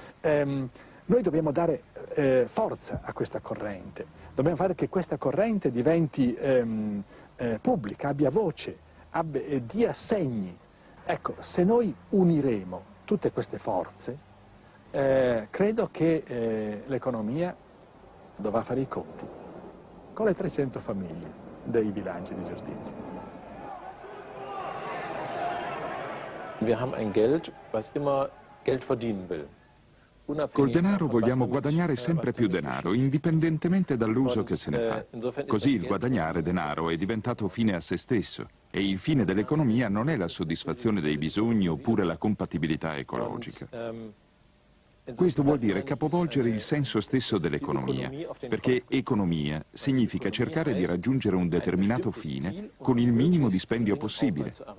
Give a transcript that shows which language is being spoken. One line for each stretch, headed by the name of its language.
Italian: Noi dobbiamo dare forza a questa corrente, dobbiamo fare che questa corrente diventi pubblica, abbia voce, dia segni. Ecco, se noi uniremo tutte queste forze, credo che l'economia dovrà fare i conti con le 300 famiglie dei bilanci di giustizia.
German: Wir haben ein Geld, was immer Geld verdienen will.
Italian: Col denaro vogliamo guadagnare sempre più denaro, indipendentemente dall'uso che se ne fa. Così il guadagnare denaro è diventato fine a se stesso e il fine dell'economia non è la soddisfazione dei bisogni oppure la compatibilità ecologica. Questo vuol dire capovolgere il senso stesso dell'economia, perché economia significa cercare di raggiungere un determinato fine con il minimo dispendio possibile.